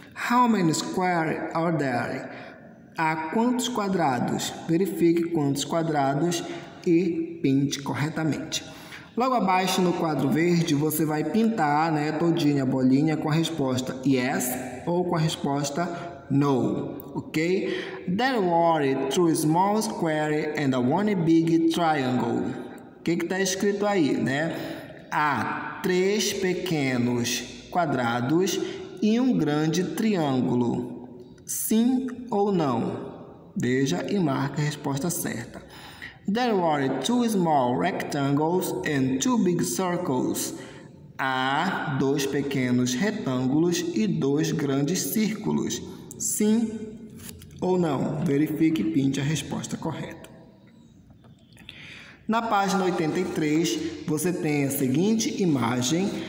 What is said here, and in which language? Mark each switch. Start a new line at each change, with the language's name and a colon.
English: How many squares are there?
Portuguese: Há quantos quadrados? Verifique quantos quadrados e pinte corretamente. Logo abaixo, no quadro verde, você vai pintar, né, todinha a bolinha com a resposta yes ou com a resposta no, ok?
English: There were two small squares and one big triangle.
Portuguese: O que está escrito aí, né? Há três pequenos quadrados e um grande triângulo. Sim ou não? Veja e marque a resposta certa.
English: There were two small rectangles and two big circles.
Portuguese: Há dois pequenos retângulos e dois grandes círculos. Sim ou não? Verifique e pinte a resposta correta. Na página 83, você tem a seguinte imagem.